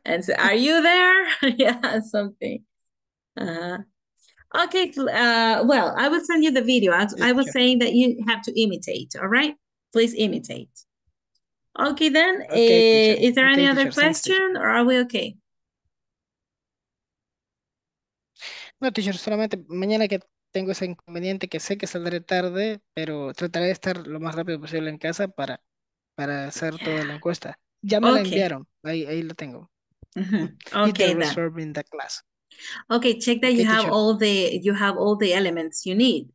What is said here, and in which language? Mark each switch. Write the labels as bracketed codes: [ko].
[en] And so, are you there? Yeah, something. Okay, well, I will send you the video. I was saying that you have to imitate, all right? Please imitate. Okay, then. Okay, is there any other question, or are we okay? [es] No, teacher, solamente mañana que tengo ese inconveniente que sé que saldré tarde, pero trataré de estar lo más rápido posible en casa para hacer toda la encuesta. Ya me la enviaron. Ahí lo tengo. [en] Mm-hmm. Okay, then. Reserving the class. Okay, check that you have all the elements you need.